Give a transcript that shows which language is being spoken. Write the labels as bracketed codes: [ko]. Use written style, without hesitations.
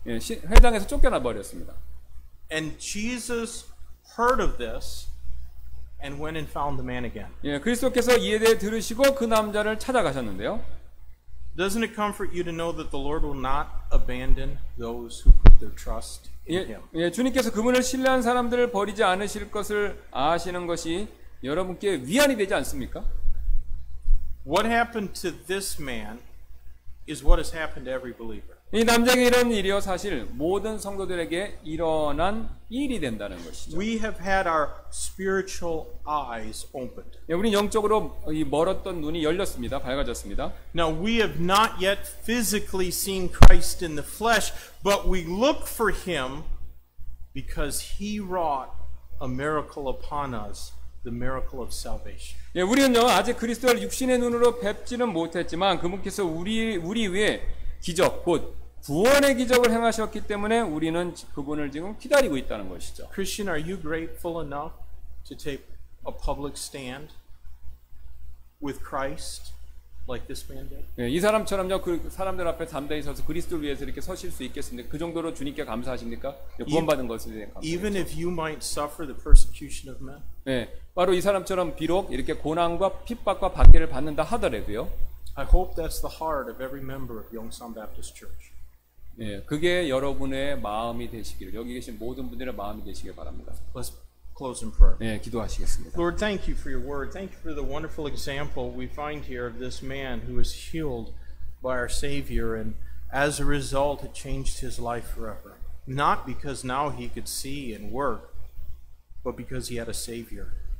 [ko] 예, 회당에서 쫓겨나 버렸습니다. [en] And Jesus heard of this and went and found the man again. [ko] 예, 그리스도께서 이에 대해 들으시고 그 남자를 찾아가셨는데요. [en] Doesn't it comfort you to know that the Lord will not abandon those who put their trust in him? [ko] 예, 주님께서 그분을 신뢰한 사람들을 버리지 않으실 것을 아시는 것이 여러분께 위안이 되지 않습니까? [en] What happened to this man is what has happened to every believer. [ko] 이 남자에게 이런 일이요 사실 모든 성도들에게 일어난 일이 된다는 것이죠. [en] We have had our spiritual eyes opened. [ko] 예, 우리는 영적으로 멀었던 눈이 열렸습니다. 밝아졌습니다. [en] Now we have not yet physically seen Christ in the flesh, but we look for him because he wrought a miracle upon us. The miracle of salvation. [ko] 예, 우리는요 아직 그리스도를 육신의 눈으로 뵙지는 못했지만 그분께서 우리 위에 기적, 곧 구원의 기적을 행하셨기 때문에 우리는 그분을 지금 기다리고 있다는 것이죠. [en] Christian, are you grateful enough to take a public stand with Christ like this man did? [ko] 예, 이 사람처럼요 그 사람들 앞에 담대히 서서 그리스도를 위해서 이렇게 서실 수 있겠습니까? 그 정도로 주님께 감사하십니까? 구원받은 것에 대해 감사. [en] Even if you might suffer the persecution of men. [ko] 예. 바로 이 사람처럼 비록 이렇게 고난과 핍박과 박해를 받는다 하더라도요. [en] I hope that's the heart of every member of Yongsan Baptist Church. [ko] 예, 그게 여러분의 마음이 되시기를 여기 계신 모든 분들의 마음이 되시길 바랍니다. [en] Let's close in prayer. [ko] 예, 기도하시겠습니다. [en] Lord, thank you for your word. Thank you for the wonderful example we find here of this man who was healed by our Savior and as a result it changed his life forever. Not because now he could see and work, but because he had a Savior.